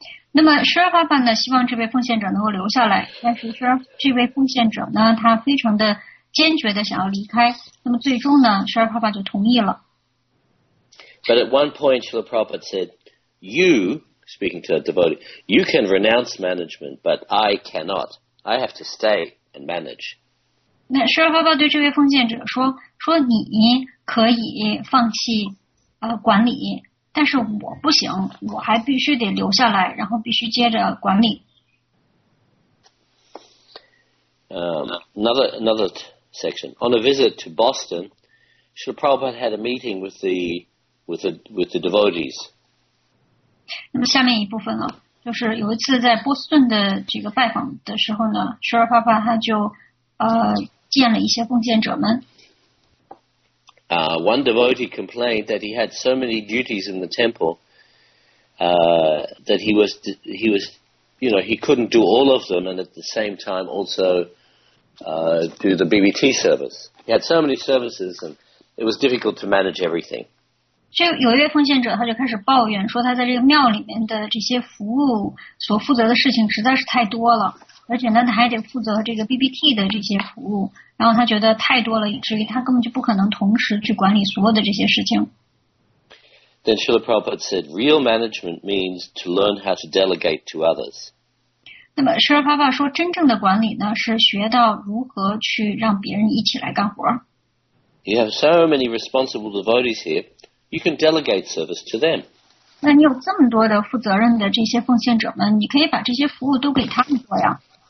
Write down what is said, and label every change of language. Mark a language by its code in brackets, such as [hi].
[zh] 那么 Srila Prabhupada 呢，希望这位奉献者能够留下来，但是这位奉献者呢，他非常的坚决的想要离开。那么最终呢 ，Srila Prabhupada 就同意了。 [en] But at one point, Srila Prabhupada said, "You." Speaking to a devotee, you can renounce management, but I cannot. I have to stay and manage. [zh] 那十二号报对这位奉献者说：“说你可以放弃管理，但是我不行，我还必须得留下来，然后必须接着管理。 [en] Another section. On a visit to Boston, Srila Prabhupada had a meeting with the devotees. [zh] 那么下面一部分呢，就是有一次在波士顿的这个拜访的时候呢，十二号报他就见了一些奉献者们。 [en] One devotee complained that he had so many duties in the temple, that he couldn't do all of them and at the same time also do the BBT service. He had so many services and it was difficult to manage everything. [zh] 就有一位奉献者，他就开始抱怨说，他在这个庙里面的这些服务所负责的事情实在是太多了，而且呢，他还得负责这个 BBT 的这些服务，然后他觉得太多了，以至于他根本就不可能同时去管理所有的这些事情。 [en] Then Srila Prabhupada said, real management means to learn how to delegate to others. [zh] 那么，舍尔帕帕说，真正的管理呢，是学到如何去让别人一起来干活。 [en] You have so many responsible devotees here, you can delegate service to them. [zh] 那你有这么多的负责任的这些奉献者们，你可以把这些服务都给他们做呀。